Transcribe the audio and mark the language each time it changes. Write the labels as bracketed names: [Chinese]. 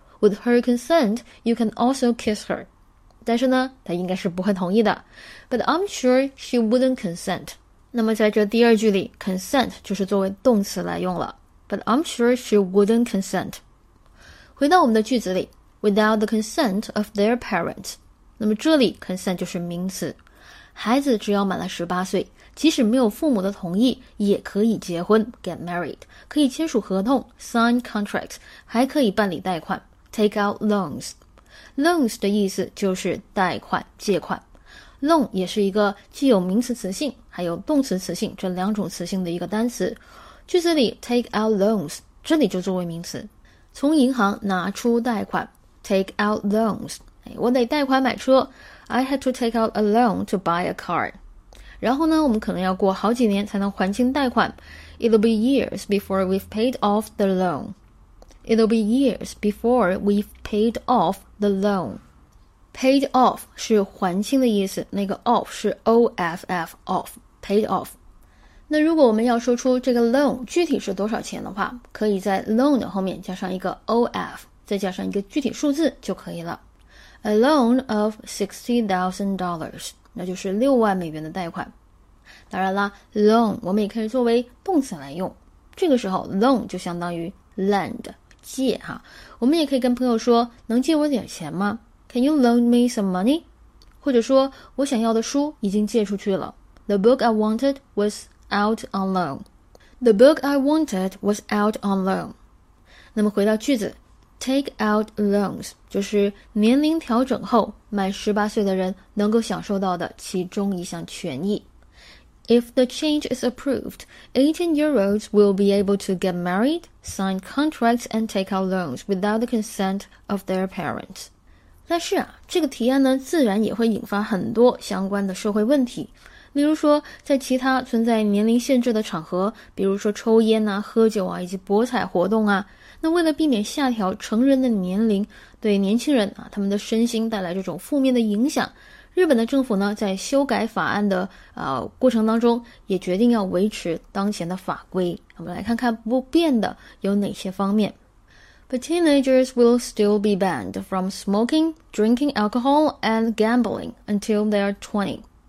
[English] With her consent, you can also kiss her. [Chinese] 但是呢，她应该是不会同意的。 But I'm sure she wouldn't consent. 那么在这第二句里 ，consent 就是作为动词来用了。 [English] But I'm sure she wouldn't consent. 回到我们的句子里，without the consent of their parents. [Chinese] 那么这里 consent 就是名词。孩子只要满了18岁，即使没有父母的同意也可以结婚 get married，可以签署合同 sign contracts，还可以办理贷款 take out loans。 loans 的意思就是贷款借款。 loan 也是一个既有名词词性还有动词词性这两种词性的一个单词。句子里 take out loans 这里就作为名词，从银行拿出贷款 take out loans。 [English] 我得贷款买车， I had to take out a loan to buy a car. [Chinese] 然后呢，我们可能要过好几年才能还清贷款。 [English] It'll be years before we've paid off the loan. It'll be years before we've paid off the loan. [Chinese] Paid off 是还清的意思，那个 off 是 off, off, paid off. 那如果我们要说出这个 loan 具体是多少钱的话，可以在 loan 的后面加上一个 of， 再加上一个具体数字就可以了。 [English] A loan of $60,000，那就是$60,000的贷款。 [Chinese] 当然啦 ，loan 我们也可以作为动词来用。这个时候 ，loan 就相当于 lend 借哈。我们也可以跟朋友说，能借我点钱吗 ？ Can you loan me some money？或者说我想要的书已经借出去了。 [English] The book I wanted was out on loan. The book I wanted was out on loan. [Chinese] 那么回到句子。 Take out loans 就是年龄调整后满18岁的人能够享受到的其中一项权益。 [English] If the change is approved, 18-year-olds will be able to get married, sign contracts and take out loans without the consent of their parents. [Chinese] 但是啊，这个提案呢自然也会引发很多相关的社会问题，例如说在其他存在年龄限制的场合，比如说抽烟啊、喝酒啊以及博彩活动啊。那为了避免下调成人的年龄对年轻人啊他们的身心带来这种负面的影响，日本的政府呢在修改法案的过程当中也决定要维持当前的法规。我们来看看不变的有哪些方面。 [English] But teenagers will still be banned from smoking, drinking alcohol and gambling until they are 20.